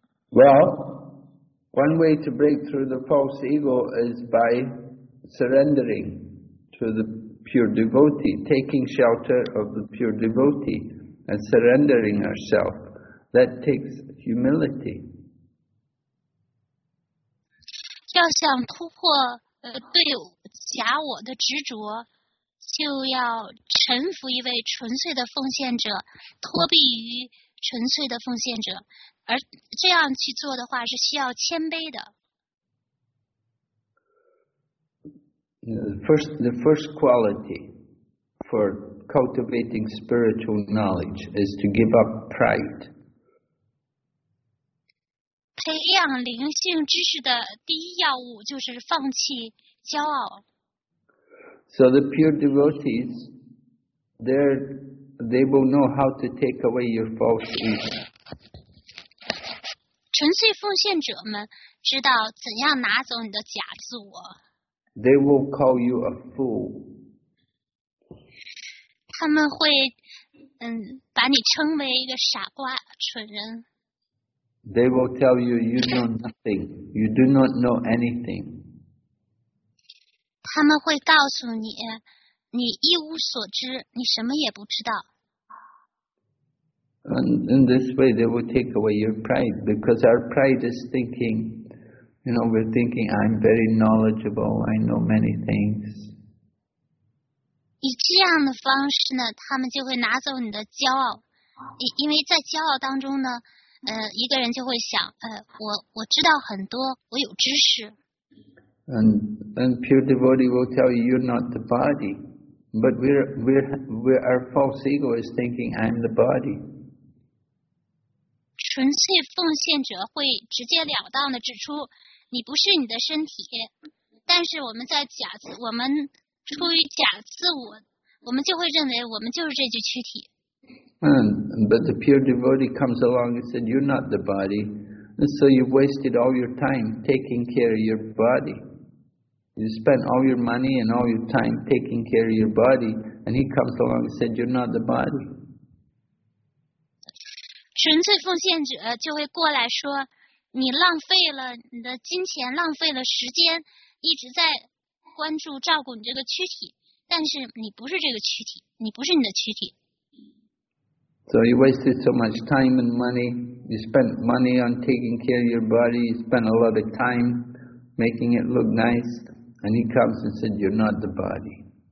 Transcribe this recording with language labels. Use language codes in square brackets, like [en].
[en] Well, one way to break through the false ego is by surrendering to the pure devotee, taking shelter of the pure devotee and surrendering ourselves. That takes humility. [zh] 要想突破对假我的执着就要臣服一位纯粹的奉献者，脱离于纯粹的奉献者，而这样去做的话是需要谦卑的。 [en] The first quality for cultivating spiritual knowledge is to give up pride. [zh] 培养灵性知识的第一要务就是放弃骄傲。 [en] So the pure devotees, they will know how to take away your false ego. [zh] 纯粹奉献者们知道怎样拿走你的假自我。 [en] They will call you a fool. [zh] 他们会把你称为一个傻瓜蠢人。 [en] They will tell you you know nothing. You do not know anything. [zh] 他们会告诉你，你一无所知，你什么也不知道。 [en] And in this way, they will take away your pride, because our pride is thinking, you know, we're thinking, I'm very knowledgeable, I know many things. [zh] 以这样的方式呢，他们就会拿走你的骄傲，因为在骄傲当中呢，一个人就会想，我知道很多，我有知识。 [en] And pure devotee will tell you, you're not the body. But we're our false ego is thinking, I'm the body. [zh] 纯粹奉献者会直截了当地指出，你不是你的身体。但是我们在假自，我们出于假自我，我们就会认为我们就是这具躯体。 [en] Yeah. But the pure devotee comes along and said, you're not the body. And so you wasted all your time taking care of your body. You spent all your money and all your time taking care of your body. And he comes along and said, you're not the body. [zh] 纯粹奉献者就会过来说，你浪费了你的金钱，浪费了时间，一直在关注照顾你这个躯体，但是你不是这个躯体，你不是你的躯体。 [en] So you wasted so much time and money. You spent money on taking care of your body. You spent a lot of time making it look nice. And he comes and said, you're not the body.